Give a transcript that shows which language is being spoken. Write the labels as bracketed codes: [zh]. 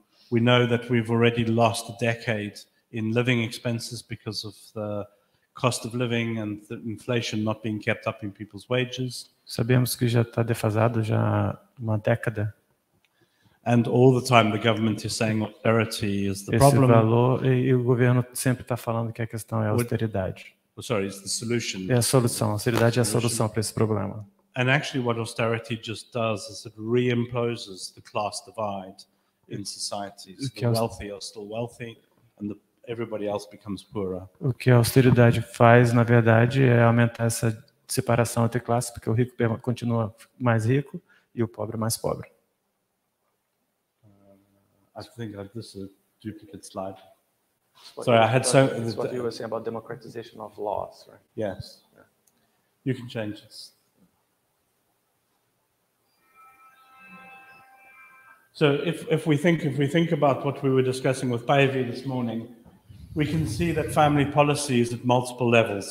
[en] We know that we've already lost a decade in living expenses because of the cost of living and the inflation not being kept up in people's wages. [pt] Sabemos que já está defasado já uma década. [en] And all the time the government is saying austerity is the problem. [pt] Esse valor, e o governo sempre está falando que a questão é a austeridade. [en] Well, sorry, it's the solution. [pt] É a solução. A austeridade é a solução para esse problema. [en] And actually what austerity just does is it reimposes the class divide in societies. The wealthy are still wealthy and everybody else becomes poorer. [pt] O que a austeridade faz, na verdade, é aumentar essa separação entre classes, porque o rico continua mais rico e o pobre mais pobre. [en] I think that this is a duplicate slide. Sorry, I had so. It's what you were saying about democratization of laws, right? Yes. Yeah. You can change this. So if we think about what we were discussing with Paevi this morning, we can see that family policy is at multiple levels.